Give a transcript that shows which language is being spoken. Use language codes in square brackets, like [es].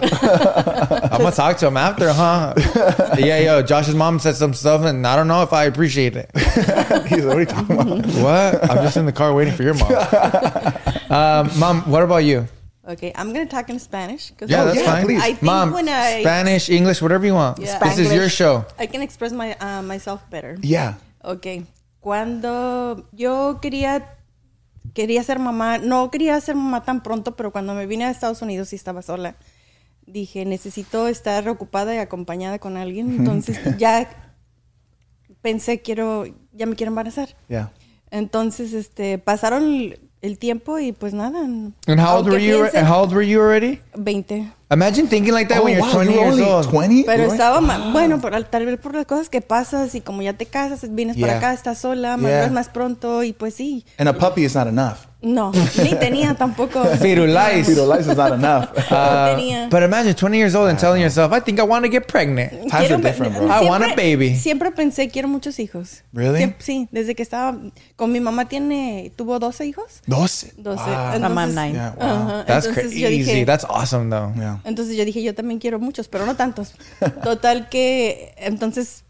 [en] I'm going to talk to him after, huh? Yeah, yo, Josh's mom said some stuff, and I don't know if I appreciate it. He's like, what are you talking about? What? I'm just in the car waiting for your mom. Mom, what about you? Okay, I'm going to talk in Spanish. Yeah, that's fine. Please. Spanish, English, whatever you want. Yeah. This is your show. I can express my myself better. Yeah. Okay. [es] Cuando yo quería ser mamá, no quería ser mamá tan pronto, pero cuando me vine a Estados Unidos y estaba sola, dije, necesito estar ocupada y acompañada con alguien. Entonces ya pensé, ya me quiero embarazar. [en] Yeah. [es] Entonces, pasaron el tiempo y pues nada. [en] And how old were you? And how old were you already? 20. Imagine thinking like that when you're 20 years old. 20? [es] Pero estaba bueno, pero tal vez por las cosas que pasas y como ya te casas, vienes para acá, estás sola, maduras más pronto y pues sí. [en] And a puppy is not enough. [es] No, ni tenía tampoco. Firulais. [en] Firulais is not enough. But imagine 20 years old and telling yourself, I think I want to get pregnant. Times are different, bro. Siempre, I want a baby. [es] Siempre pensé, quiero muchos hijos. [en] Really? [es] Sí, desde que estaba con mi mamá tuvo 12 hijos. [en] 12? 12. Wow. Entonces, I'm 9. Yeah, wow. Uh-huh. That's crazy. That's awesome, though. Yeah. [es] Entonces yo dije, yo también quiero muchos, pero no tantos. Total que, entonces...